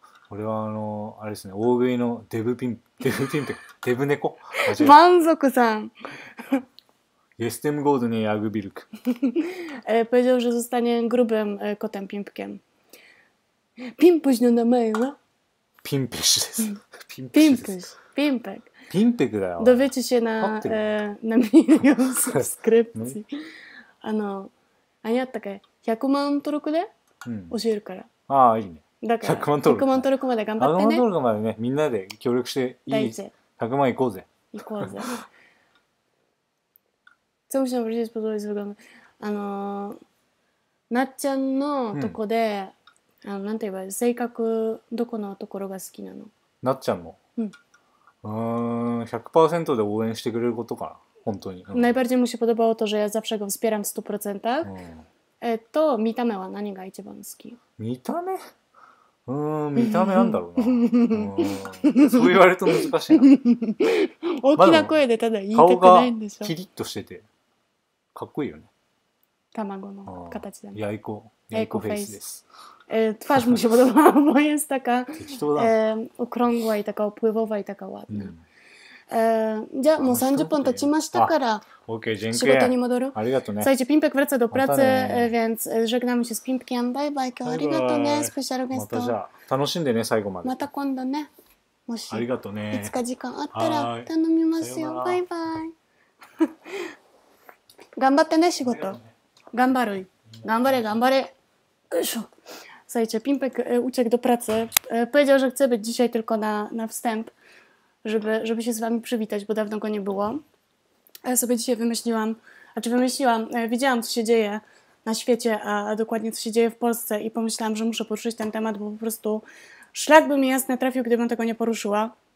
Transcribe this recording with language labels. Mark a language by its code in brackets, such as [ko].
[ja] これはあれですね、大食いのデブピン、デブピンペ、デブ猫満足さん。ゲステムゴードネヤグビルク。 [pl] powiedział, że zostanie grubym kotem pimpkiem. [ja] ピンプシの名前は？ピンプシです。ピンプシ。ピンペク。ピンペクだよ。どべちしな、なみよ、サブスクリプチ。あやったけ、100万登録で教えるから。ああ、いいね。だから100万登録まで頑張ってね。 100万登録までね、みんなで協力していい。 100万行こうぜ。行こうぜ。ちょっと面白いことですが、なっちゃんのとこで、なんて言えば、性格どこのところが好きなの？なっちゃんの？ 100% で応援してくれることかな、本当に。 [pl] najbardziej mu się podobało to, że ja zawsze go wspieram w 100%. [ja] 見た目は何が一番好き？見た目？見た目なんだろうな。そう言われると難しいな。大きな声でただ言いたくないんでしょ。顔がキリッとしてて、かっこいいよね。卵の形だね。ヤイコフェイスです。 [pl] twarz mu się podoba, bo jest taka okrągła i taka opływowa i taka ładna. [ja] じゃあもう30分経ちましたから仕事に戻る。ありがとうね。さあ、じゃあ [pl] ピンペク wraca do pracy, więc żegnamy się z Pimpkiem. [ja] バイバイ、今日ありがとうね、スペシャルゲスト。またじゃあ楽しんでね、最後まで。また今度ね、もしありがとうね。いつか時間あったら頼みますよ。バイバイ。頑張ってね、仕事。頑張る。頑張れ、頑張れ。よいしょ。さあ、じゃあ [pl] ピンペク uciekł do pracy. Powiedział, że chce być dzisiaj tylko na wstęp. Żeby się z wami przywitać, bo dawno go nie było. Ja sobie dzisiaj wymyśliłam, widziałam, co się dzieje na świecie, a dokładnie co się dzieje w Polsce i pomyślałam, że muszę poruszyć ten temat, bo po prostu szlak by mi jasne trafił, gdybym tego nie poruszyła.